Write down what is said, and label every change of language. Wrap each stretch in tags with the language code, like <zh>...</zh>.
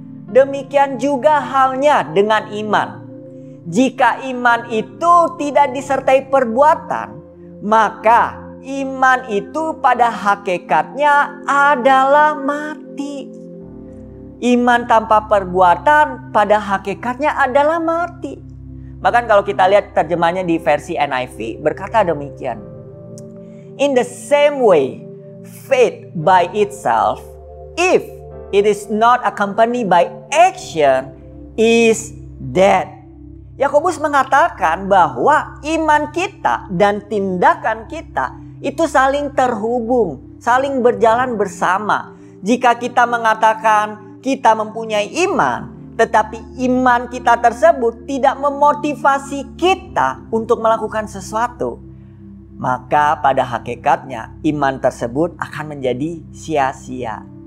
<id>Demikian juga halnya dengan iman. Jika iman itu tidak disertai perbuatan, maka iman itu pada hakikatnya adalah mati. Iman tanpa perbuatan pada hakikatnya adalah mati. Bahkan kalau kita lihat terjemahnya di versi NIV berkata demikian.</id> <en>In the same way, faith by itself, if it is not accompanied by action, is dead.</en> <id>Yakobus mengatakan bahwa iman kita dan tindakan kita itu saling terhubung, saling berjalan bersama. Jika kita mengatakan kita mempunyai iman, tetapi iman kita tersebut tidak memotivasi kita untuk melakukan sesuatu, maka pada hakikatnya iman tersebut akan menjadi sia-sia.</id>